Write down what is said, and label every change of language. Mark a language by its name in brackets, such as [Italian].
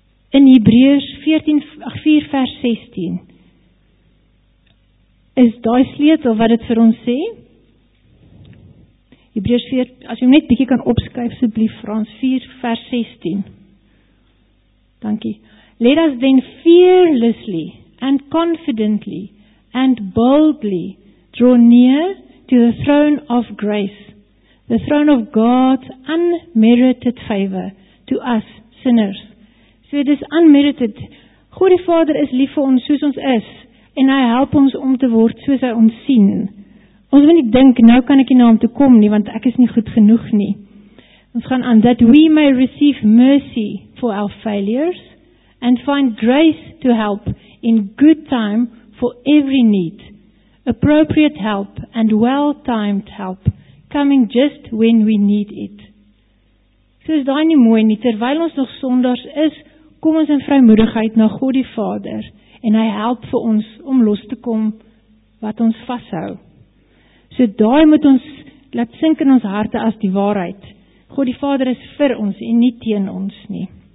[Afrikaans] In Hebreërs 4 vers 16 is daai sleutel wat dit vir ons sê. Hebreërs 4, as jy net bietjie kan opskryf asseblief Frans 4 vers 16. Dankie. [English] Let us then fearlessly and confidently and boldly draw near to the throne of grace, the throne of God's unmerited favor to us sinners. So it is unmerited. [Afrikaans] God die Vader is lief vir ons soos ons is, en hy help ons om te word soos hy ons sien. Ons moet nie dink, nou kan ek nie na hom toe kom nie, want ek is nie goed genoeg nie. Ons gaan aan, [English] that we may receive mercy for our failures, and find grace to help in good time for every need, appropriate help and well-timed help coming just when we need it. [Afrikaans] So is daai nie mooi nie, terwyl ons nog sondaars is, kom ons in vrymoedigheid na God die Vader, en hy help vir ons om los te kom wat ons vashou. So daai moet ons laat sink in ons harte as die waarheid. God die Vader is vir ons en nie teen ons nie.